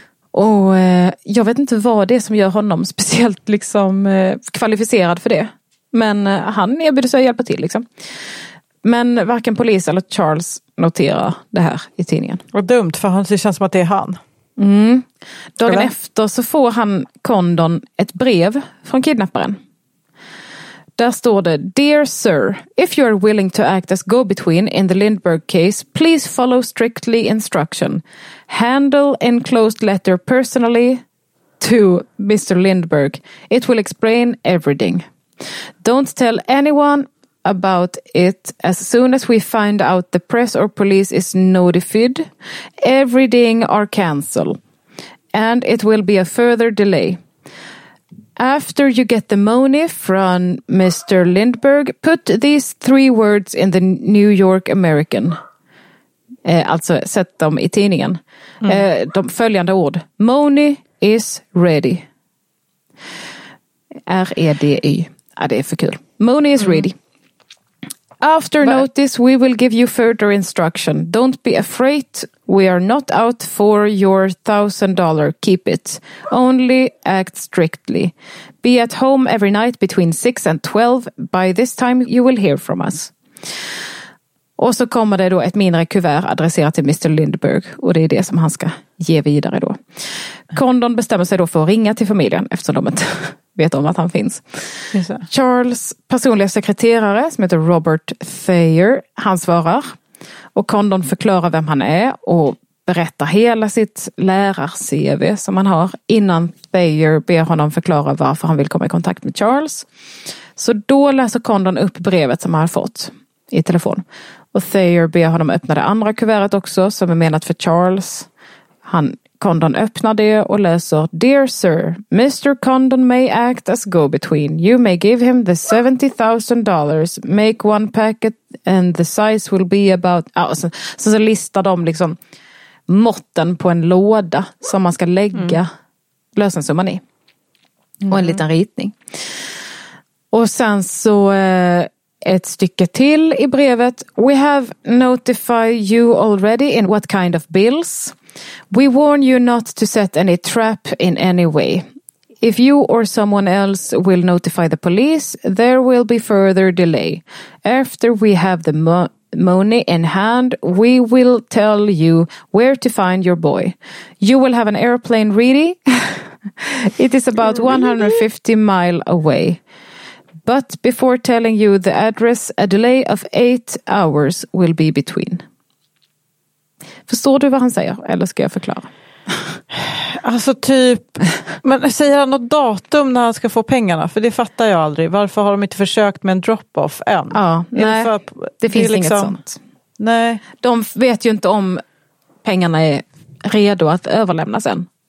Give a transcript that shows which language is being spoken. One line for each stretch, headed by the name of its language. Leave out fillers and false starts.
Swedish: Och jag vet inte vad det är som gör honom speciellt liksom kvalificerad för det. Men han erbjöd sig att hjälpa till liksom. Men varken polis eller Charles noterar det här i tidningen. Vad dumt, för han känns som att det är han. Mm. Dagen eller? Efter så får han Condon ett brev från kidnapparen. Där står det:
English: Dear sir, if you are willing to act as go-between in the Lindbergh case, please follow strictly instruction. Handle enclosed letter personally to Mr. Lindbergh. It will explain everything. Don't tell anyone about it. As soon as we find out, the press or police is notified, everything are cancelled, and it will be a further delay. After you get the money from Mr. Lindbergh, put these three words in the New York American.
Swedish: Alltså sätt dem i tidningen. De följande ord:
English: money is ready.
Swedish: R-E-D-Y. Ja, det är för kul.
English: Money is ready. After notice, we will give you further instruction. Don't be afraid. We are not out for your $1,000. Keep it. Only act strictly. Be at home every night between 6 and 12. By this time, you will hear from us.
Swedish: Och så kommer det då ett mindre kuvert adresserat till Mr. Lindbergh. Och det är det som han ska ge vidare då. Condon bestämmer sig då för att ringa till familjen eftersom de inte vet om att han finns. Charles personliga sekreterare som heter Robert Thayer, han svarar. Och Condon förklarar vem han är och berättar hela sitt lärar-CV som han har innan Thayer ber honom förklara varför han vill komma i kontakt med Charles. Så då läser Condon upp brevet som han har fått i telefon. Och Thayer ber honom öppna det andra kuvertet också som är menat för Charles. Han Condon öppnar det och läser:
English: Dear sir, Mr. Condon may act as go-between. You may give him the $70,000. Make one packet and the size will be about...
Swedish: Så listar de liksom måtten på en låda som man ska lägga lösensumman i. Och en liten ritning. Och sen så... ett stycke till i brevet:
English: We have notified you already in what kind of bills. We warn you not to set any trap in any way. If you or someone else will notify the police, there will be further delay. After we have the money in hand, we will tell you where to find your boy. You will have an airplane ready. It is about 150 mile away. But before telling you the address, a delay of 8 hours will be between.
Swedish: Förstår du vad han säger? Eller ska jag förklara? Alltså typ... Men säger han något datum när han ska få pengarna? För det fattar jag aldrig. Varför har de inte försökt med en drop-off än? Ja, nej. Det finns liksom, inget sånt. Nej. De vet ju inte om pengarna är redo att överlämnas än.